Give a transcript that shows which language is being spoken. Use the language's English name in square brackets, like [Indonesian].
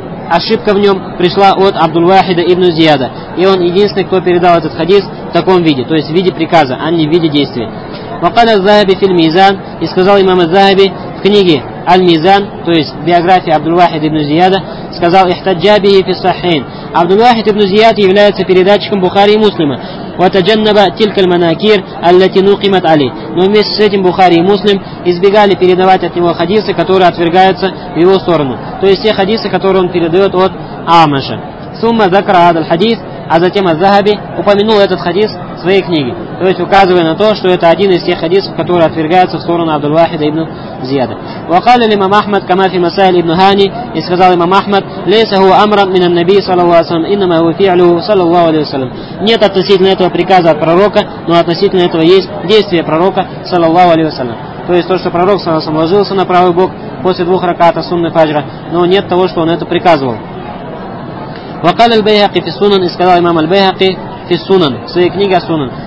[Russian] ошибка в нем пришла от Абдул-Вахида ибн Зияда. И он единственный, кто передал этот хадис в таком виде, то есть в виде приказа, а не в виде действия. [Arabic] وقال الذهبي في الميزان [Russian] и сказал имам аз-Захаби в книге Аль-Мизан, то есть биография Абдул-Вахида ибн Зияда, сказал [Arabic] ихтаджа бихи фи сахин. [Russian] Абдул-Вахид ибн Зияд является передатчиком Бухари и Муслима. [Arabic] وتجنب تلك المناكير التي نقمت عليه. [Russian] Но вместе с этим Бухари и Муслим избегали передавать от него хадисы, которые отвергаются в его сторону. То есть те хадисы, которые он передает от Амаша. [Arabic] Сумма закра адал хадис, [Russian] а затем аз-Захаби упомянул этот хадис в своей книге. То есть указывая на то, что это один из тех хадисов, которые отвергаются в сторону Абдул-Вахида ибн Зияда. [Arabic] وقال الإمام أحمد كما في مسائل ابن هاني [Russian] и сказал имам Ахмад, [Arabic] ليس هو أمرا من النبي صلى الله عليه وسلم إنما هو فعله صلى الله عليه وسلم. [Russian] Нет относительно этого приказа от пророка, но относительно этого есть действие пророка صلى الله عليه وسلم. То есть то, что пророк صلى الله عليه وسلم ложился на правый бок после двух ракатов сунны фаджра, но нет того, что он это приказывал. [Arabic] وقال البيهقي في السنن [Russian] и сказал имам аль-Байхақи [Arabic] في السنن [Russian] в своей книге Сунан.